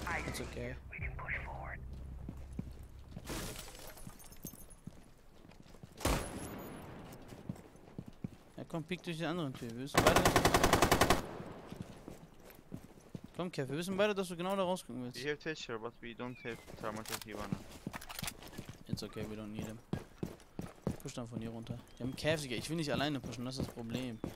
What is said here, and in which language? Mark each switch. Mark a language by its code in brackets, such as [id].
[en] It's okay. [de] Ja, komm, pick durch die anderen Tür. Wir wissen beide. Komm, Kev, wir wissen beide, dass du genau da rausgucken willst. [en] We have Tischer, but we don't have Thermotech Ivana. It's okay, we don't need him. [de] Push dann von hier runter. Die haben Käfige, ich will nicht alleine pushen, das ist das Problem.